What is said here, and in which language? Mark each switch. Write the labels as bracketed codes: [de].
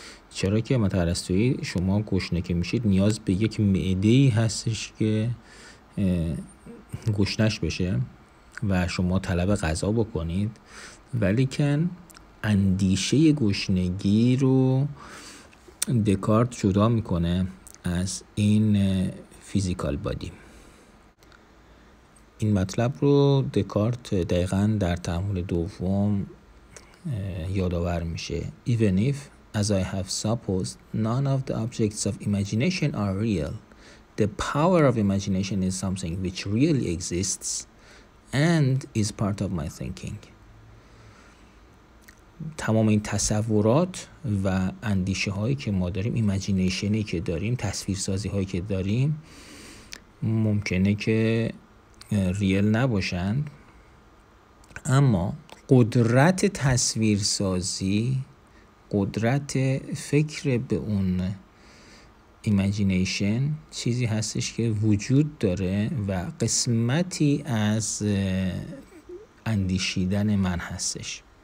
[fa] چرا که منطق ارسطویی شما گشنه که میشید نیاز به یک معده‌ای هستش که گشنش بشه و شما طلب غذا بکنید، ولیکن اندیشه گشنگی رو دکارت جدا میکنه از این فیزیکال بادی. این مطلب رو دکارت دقیقا در تعامل دوم یادآور میشه. [en] Even if, as I have supposed, none of the objects of imagination are real, the power of imagination is something which really exists and is part of my thinking. [fa] تمام این تصورات و اندیشه هایی که ما داریم، ایمجینیشنی که داریم، تصویرسازی هایی که داریم، ممکنه که ریل نباشند، اما قدرت تصویرسازی، قدرت فکر به اون imagination چیزی هستش که وجود داره و قسمتی از اندیشیدن من هستش.